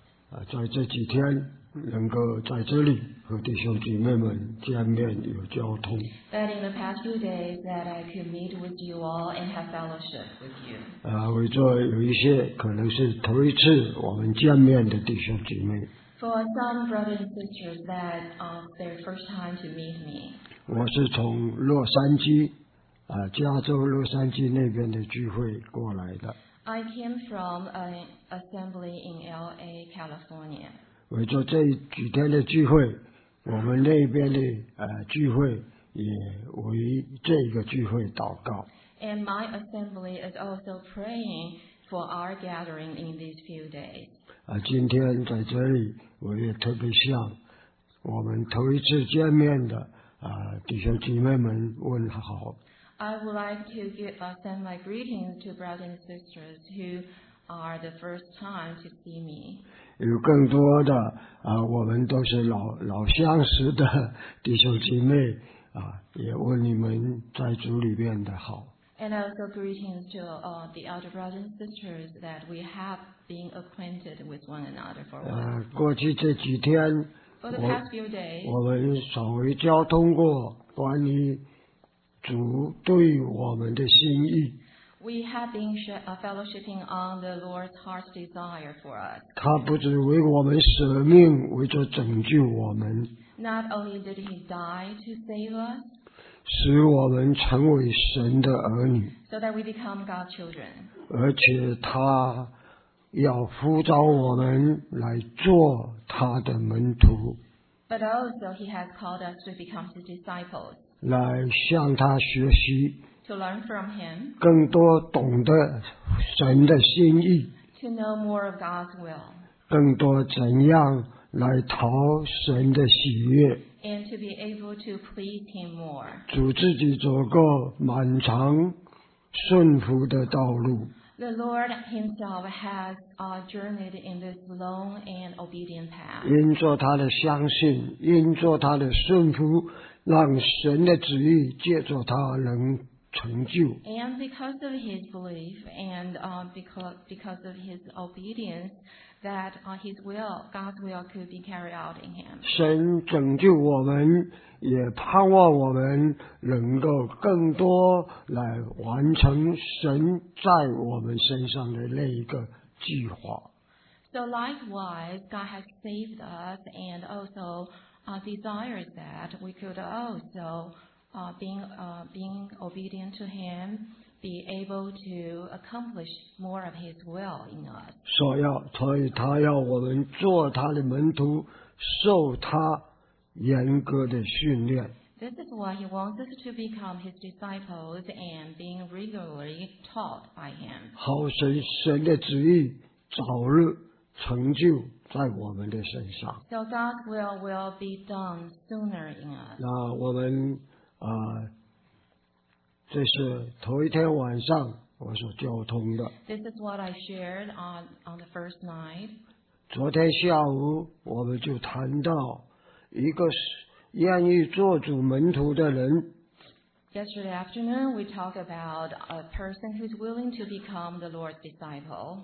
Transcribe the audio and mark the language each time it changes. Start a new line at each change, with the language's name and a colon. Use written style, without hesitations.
Chinese: 在这几天能够在这里和弟兄姐妹们见面有交通。
English: That in the past few days that I could meet with you all and have fellowship with you.
Chinese: 为着有一些可能是头一次我们见面的弟兄姐妹。
English: For some brothers and sisters that their first time to meet me.
Chinese: 我是从洛杉矶。加州洛杉矶那边的聚会过来的。
English: I came from an assembly in LA, California.
Chinese: 为着这几天的聚会，我们那边的聚会也为这个聚会祷告。
English: And my assembly is also praying for our gathering in these few days.
Chinese: 今天在这里，我也特别向我们头一次见面的弟兄姐妹们问好。
English: I would like to send my greetings to brothers and sisters who are the first time to see me.
Chinese: 有更多的我们都是老相识的弟兄姐妹也问你们在主里面的好。
English: And also greetings to the other brothers and sisters that we have been acquainted with one another for a while.
Chinese: 过去这几天
English: For the past few days,
Chinese: 我们稍微交通过关于主对我们的心意。
English: We have been fellowshipping on the Lord's heart's desire for us.
Chinese: 他不只为我们舍命，为着拯救我们。
English: Not only did he die to save us,
Chinese: 使我们成为神的儿女。
English: So that we become God's children.
Chinese: 而且他要呼召我们来做他的门徒。
English: But also he has called us to become his disciples.
Chinese: 来向他学习
English: to learn from him,
Chinese: 更多懂得神的心意
English: to know more of God's will,
Chinese: 更多怎样来讨神的喜悦
English: and to be able to please him more,
Chinese: 主自己走过满长顺服的道路
English: The Lord himself has journeyed in this long and obedient path
Chinese: 因着他的相信因着他的顺服让神的旨意借着他能成就。
English: And because of his belief and because of his obedience, that his will, God's will, could be carried out in him.
Chinese: 神拯救我们，也盼望我们能够更多来完成神在我们身上的那一个计划。
English: So likewise, God has saved us and also. Desires that we could also being obedient to him be able to accomplish more of his will in us.
Chinese: 所以他要我们做他的门徒受他严格的训练。
English: This is why he wants us to become his disciples and being regularly taught by him.
Chinese: 好神神的旨意早日成就在我们的身上。
English: So God will be done sooner in us.
Chinese: 那我们这是头一天晚上我所交通的。
English: This is what I shared on the first night.
Chinese: 昨天下午我们就谈到一个愿意做主门徒的人。
English: Yesterday afternoon, we talked about a person who's willing to become the Lord's disciple.